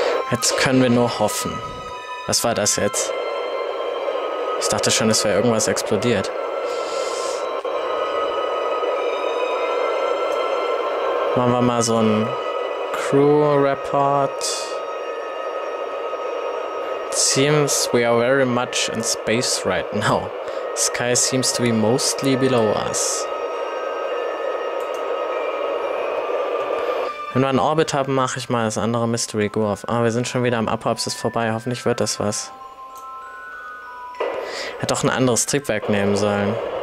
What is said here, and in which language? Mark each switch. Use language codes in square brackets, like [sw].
[de] Jetzt können wir nur hoffen. Was war das jetzt? Ich dachte schon, es wäre irgendwas explodiert. Machen wir mal so einen Crew-Report. [en] Seems we are very much in space right now. Sky seems to be mostly below us. [de] Wenn wir einen Orbit haben, mache ich mal das andere Mystery Go auf. Ah, wir sind schon wieder am Apoapsis vorbei. Hoffentlich wird das was. Hätte doch ein anderes Triebwerk nehmen sollen.